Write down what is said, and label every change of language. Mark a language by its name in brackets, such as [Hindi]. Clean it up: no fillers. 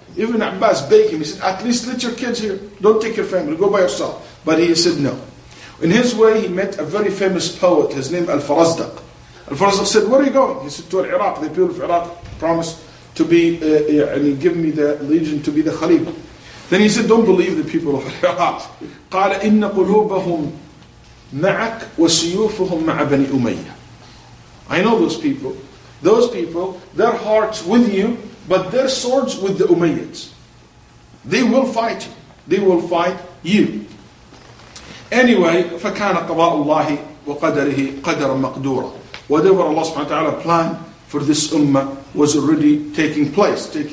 [English] Even Abbas begged him, he said, at least let your kids here. Don't take your family, go by yourself. But he said no. In his way, he met a very famous poet, his name Al-Farazdaq. Al-Farazdaq said, where are you going? He said, to Iraq. The people of Iraq promised to be, give me the legion to be the Khalifa. Then he said, don't believe the people of Iraq. [Arabic] قَالَ إِنَّ قُلُوبَهُمْ مَعَكْ وَسِيُوفُهُمْ مَعَ بَنِي أُمَيَّةِ [English] I know those people. Those people, their hearts with you, but their swords with the Umayyads. They will fight you. They will fight you. Anyway, [Arabic] فَكَانَ قَضَاءُ اللَّهِ وَقَدَرِهِ قَدَرًا مَقْدُورًا [English] Whatever Allah subhanahu wa ta'ala planned for this ummah was already taking place.